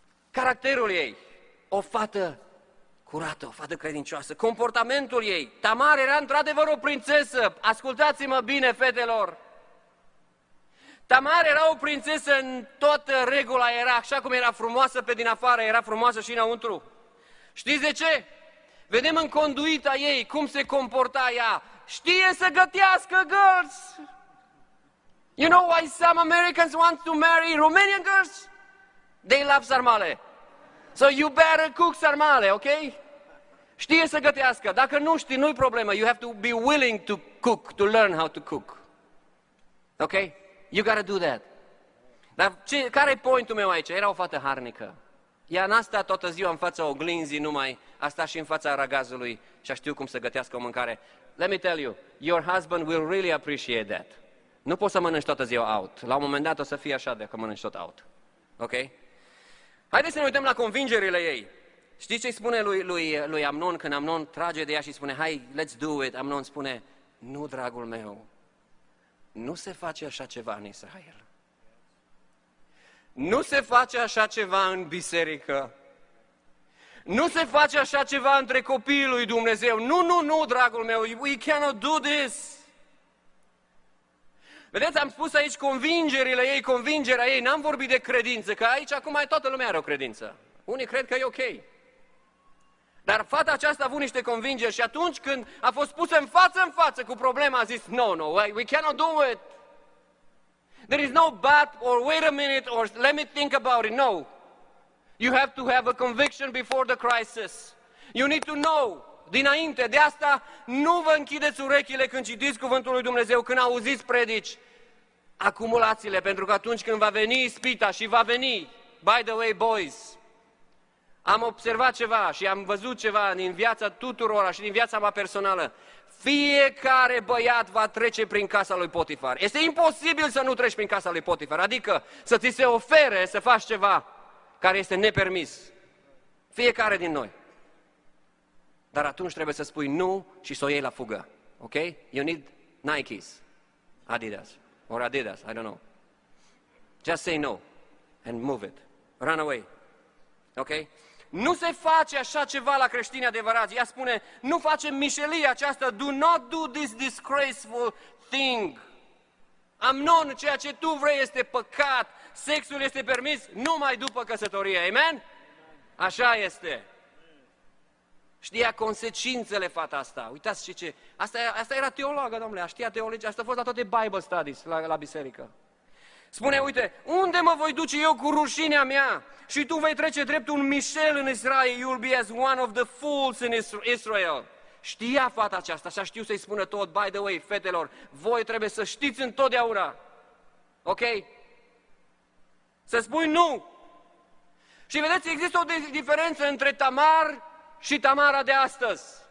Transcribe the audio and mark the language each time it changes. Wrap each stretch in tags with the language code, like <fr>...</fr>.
<ro>Caracterul ei, o fată curată, o fată credincioasă, comportamentul ei, Tamar era într-adevăr o prințesă, ascultați-mă bine, fetelor. Tamar era o prințesă în toată regula, era așa cum era frumoasă pe din afară, era frumoasă și înăuntru. Știți de ce? Vedem în conduita ei cum se comporta ea. Știe să gătească, girls!</ro> <en>You know why some Americans want to marry Romanian girls? They love sarmale. So you better cook sarmale, ok?</en> <ro>Știe să gătească. Dacă nu știi, nu-i problemă.</ro> <en>You have to be willing to cook, to learn how to cook. Ok? You gotta do that.</en> <ro>Dar care-i pointul meu aici? Era o fată harnică. Ea n-a stat toată ziua în fața oglinzii numai, a stat și în fața aragazului și a știut cum să gătească o mâncare.</ro> <en>Let me tell you, your husband will really appreciate that.</en> <ro>Nu poți să mănânci toată ziua out. La un moment dat o să fie așa de că mănânci tot out. Ok? Haideți să ne uităm la convingerile ei. Știți ce îi spune lui Amnon când Amnon trage de ea și spune, hai,</ro> <en>let's do it.</en> <ro>Amnon spune, nu, dragul meu, nu se face așa ceva în Israel. Nu se face așa ceva în biserică. Nu se face așa ceva între copiii lui Dumnezeu. Nu, nu, nu, dragul meu,</ro> <en>we cannot do this.</en> <ro>Vedeți, am spus aici convingerile ei, convingerea ei, n-am vorbit de credință, că aici acum toată lumea are o credință. Unii cred că e ok. Dar fata aceasta a avut niște convingeri și atunci când a fost pusă în față cu problema, a zis,</ro> <en>no, no, we cannot do it. There is no but, or wait a minute, or let me think about it, no. You have to have a conviction before the crisis. You need to know.</en> <ro>Dinainte, de asta nu vă închideți urechile când citiți cuvântul lui Dumnezeu, când auziți predici, acumulați-le, pentru că atunci când va veni ispita și va veni,</ro> <en>by the way, boys,</en> <ro>am observat ceva și am văzut ceva din viața tuturora și din viața mea personală, fiecare băiat va trece prin casa lui Potifar. Este imposibil să nu treci prin casa lui Potifar, adică să ți se ofere să faci ceva care este nepermis. Fiecare din noi. Dar atunci trebuie să spui nu și să o iei la fugă. Ok?</ro> <en>You need Nikes, Adidas, or Adidas, I don't know. Just say no and move it. Run away. Ok?</en> <ro>Nu se face așa ceva la creștini adevărați. Ea spune, nu facem mișelia aceasta.</ro> <en>Do not do this disgraceful thing.</en> <ro>Amnon, ceea ce tu vrei este păcat. Sexul este permis numai după căsătorie. Amen? Așa este. Știa consecințele fata asta. Uitați ce. Asta era teologă, domnule. Știa teologia. Asta a fost la toate Bible studies la biserică. Spune, uite, unde mă voi duce eu cu rușinea mea? Și tu vei trece drept un mișel în Israel.</ro> <en>You'll be as one of the fools in Israel.</en> <ro>Știa fata aceasta și a știut să-i spună tot.</ro> <en>By the way,</en> <ro>fetelor, voi trebuie să știți întotdeauna. Ok? Să spui nu. Și vedeți, există o diferență între Tamar și Tamara de astăzi.</ro>